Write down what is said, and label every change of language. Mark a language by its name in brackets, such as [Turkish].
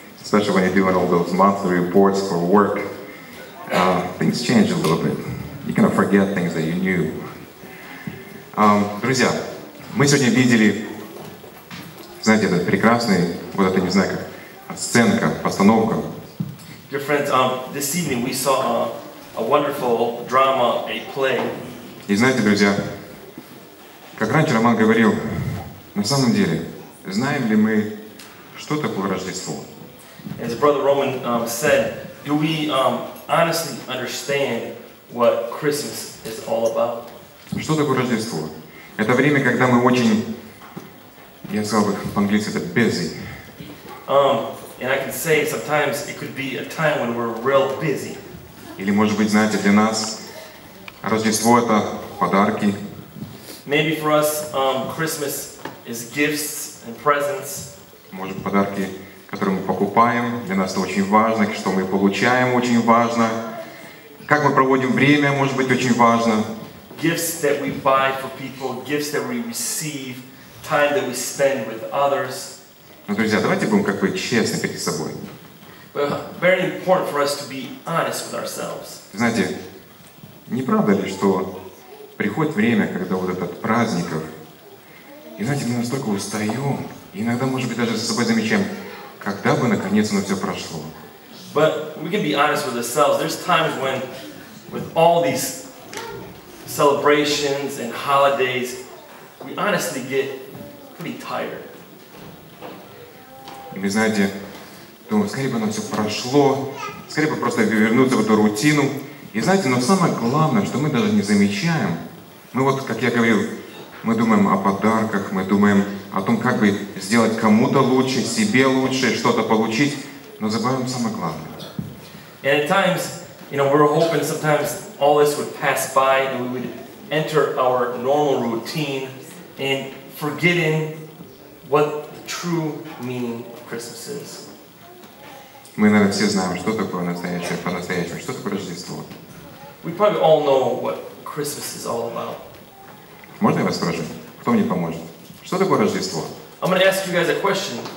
[English] The reports for work, things change a little bit. You kind of forget things that you knew. [Russian] Друзья, мы сегодня видели, знаете, этот прекрасный, вот это, не знаю, как, сценка, постановка. [English] Dear friends, this evening we saw a wonderful drama, a play. [Russian] И знаете, друзья, как раньше Роман говорил, на самом деле, знаем ли мы, что такое Рождество? [English] As Brother Roman said, do we honestly understand what Christmas is all about? [Russian] Что такое Рождество? Это время, когда мы очень, я сказал бы по-английски, это busy. [English] And I can say sometimes it could be a time when we're real busy. [Russian] Или может быть, знаете, для нас Рождество это подарки. [English] Maybe for us, Christmas is gifts and presents. [Russian] Может быть, подарки, которые мы покупаем, для нас это очень важно, что мы получаем очень важно. Как мы проводим время, может быть, очень важно. [English] Gifts that we buy for people, gifts that we receive, time that we spend with others. [Russian] Ну, друзья, давайте будем как бы честны перед собой. [English] Very important for us to be honest with ourselves. [Russian] Знаете, не правда ли, что приходит время, когда вот этот праздников, и знаете, мы настолько устаем, и иногда, может быть, даже за собой замечаем, когда бы наконец оно все прошло. [English] But we can be honest with ourselves. There's times when, with all these celebrations and holidays, we honestly get pretty tired. [Russian] И вы знаете, думаю, скорее бы оно все прошло, скорее бы просто вернуться в эту рутину. И знаете, но самое главное, что мы даже не замечаем, мы вот, как я говорил, мы думаем о подарках, мы думаем о том, как бы сделать кому-то лучше, себе лучше, что-то получить, но забываем самое главное. [English] And at times, you know, we're hoping sometimes all this would pass by and we would enter our normal routine and forgetting what the true meaning of Christmas is. [Russian] Мы, наверное, все знаем, что такое настоящее, по-настоящему, что такое Рождество. [English] We probably all know what Christmas is all about. [Russian] Можно я вас спрошу? Кто мне поможет? Что такое Рождество? [English] I'm going to ask you guys a question.